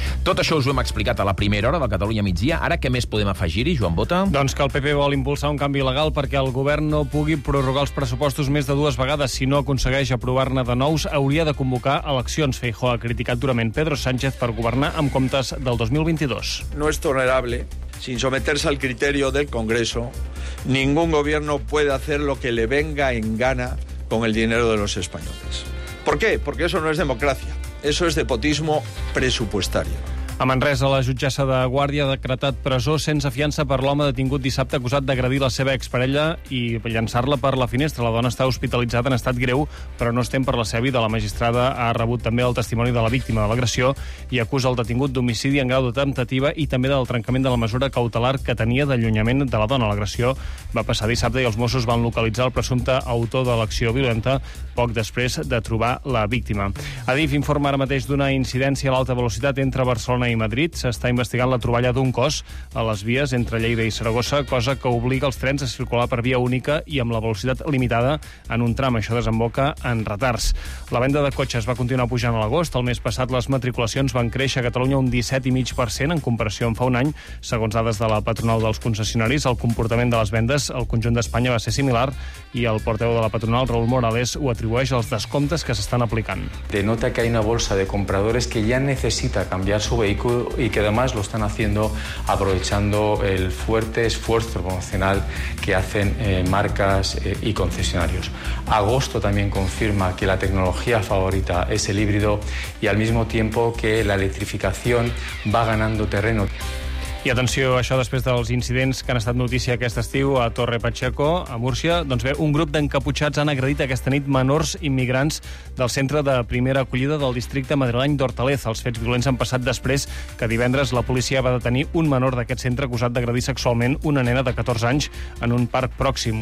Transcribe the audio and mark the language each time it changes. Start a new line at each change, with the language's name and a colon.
Catalan: Tot això us ho hem explicat a la primera hora del Catalunya migdia. Ara què més podem afegir-hi, Joan Bota? Doncs que el PP vol impulsar un canvi legal perquè el govern no pugui prorrogar els pressupostos més de dues vegades. Si no aconsegueix aprovar-ne de nous, hauria de convocar eleccions. Feijó ha criticat durament Pedro Sánchez per governar amb comptes del 2022.
Spanish: No es tolerable, sin someterse al criterio del Congreso, ningún gobierno puede hacer lo que le venga en gana con el dinero de los españoles. ¿Por qué? Porque eso no es democracia, eso es despotismo presupuestario.
Catalan: A Manresa, la jutgessa de Guàrdia ha decretat presó sense fiança per l'home detingut dissabte acusat d'agredir la seva exparella i llançar-la per la finestra. La dona està hospitalitzada en estat greu, però no estem per la seva vida. La magistrada ha rebut també el testimoni de la víctima de l'agressió i acusa el detingut d'homicidi en grau de temptativa i també del trencament de la mesura cautelar que tenia d'allunyament de la dona. L'agressió va passar dissabte i els Mossos van localitzar el presumpte autor de l'acció violenta poc després de trobar la víctima. Adif informa ara mateix d'una incidència a l'alta velocitat entre Barcelona i Madrid. S'està investigant la troballa d'un cos a les vies entre Lleida i Saragossa, cosa que obliga els trens a circular per via única i amb la velocitat limitada en un tram. Això desemboca en retards. La venda de cotxes va continuar pujant a l'agost. El mes passat les matriculacions van créixer a Catalunya un 17,5% en comparació amb fa un any. Segons dades de la patronal dels concessionaris, el comportament de les vendes al conjunt d'Espanya va ser similar i el portaveu de la patronal, Raúl Morales, ho atribueix als descomptes que s'estan aplicant.
Spanish: Denota que hay una bolsa de compradores que ya necesita cambiar su vehículo y que además lo están haciendo aprovechando el fuerte esfuerzo promocional que hacen marcas y concesionarios. Agosto también confirma que la tecnología favorita es el híbrido y al mismo tiempo que la electrificación va ganando terreno.
Catalan: I atenció, això després dels incidents que han estat notícia aquest estiu a Torre Pacheco, a Múrcia. Doncs bé, un grup d'encaputxats han agredit aquesta nit menors immigrants del centre de primera acollida del districte madrileny d'Hortaleza. Els fets violents han passat després que divendres la policia va detenir un menor d'aquest centre acusat d'agredir sexualment una nena de 14 anys en un parc pròxim.